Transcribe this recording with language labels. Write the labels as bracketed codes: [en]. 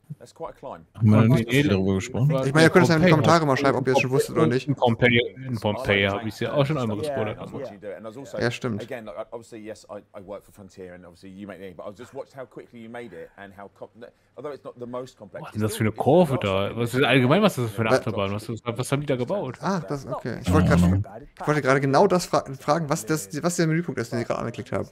[de] Ich meine, ihr könnt es in die Kommentare mal schreiben, ob ihr es schon wusstet oder nicht. In Pompeii habe ich es ja auch schon einmal gespoilert. Ja, stimmt. [en] Again, like, obviously, yes, I work for Frontier and obviously you make the game, but I've just watched how quickly you made it and how although it's not the most complex. [de] Was ist das für eine Kurve da? Was ist allgemein, was ist das für eine Achterbahn? Was haben die da gebaut? Ach, das, okay. Ich wollte gerade genau das fragen, was der Menüpunkt ist, den ich gerade angeklickt habe.